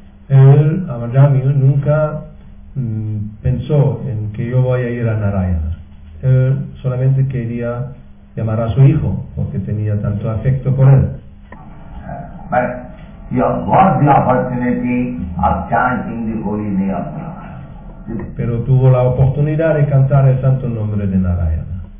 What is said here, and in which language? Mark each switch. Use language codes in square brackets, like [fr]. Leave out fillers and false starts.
[es] Él, Amarjami, nunca pensó en que yo voy a ir a Narayana. Él solamente quería llamar a su hijo, porque tenía tanto afecto por él. [en] But he got the opportunity of chanting the holy name of Narayana. [es] Pero tuvo la oportunidad de cantar el santo nombre de Narayana.